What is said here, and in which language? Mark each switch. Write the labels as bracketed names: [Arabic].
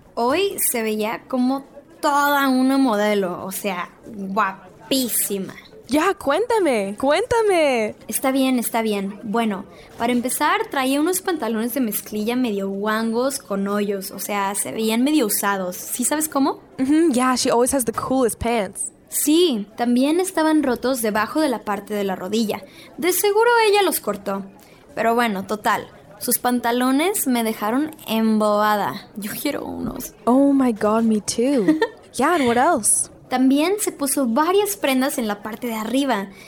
[Spanish] Hoy se veía como toda una modelo, o sea, guapísima. Ya, cuéntame. Está bien. Bueno, para empezar, traía unos pantalones de mezclilla medio guangos con hoyos. O sea, se veían medio usados. ¿Sí sabes cómo? [English] Mm-hmm, yeah, she always has the coolest pants. [Spanish] Sí, también estaban rotos debajo de la parte de la rodilla. De seguro ella los cortó. Pero bueno, total. Sus pantalones me dejaron embobada. Yo quiero unos. [English] Oh my god, [Spanish] me too. [English] Yeah, and what else? [Spanish] También se puso varias prendas en la parte de arriba.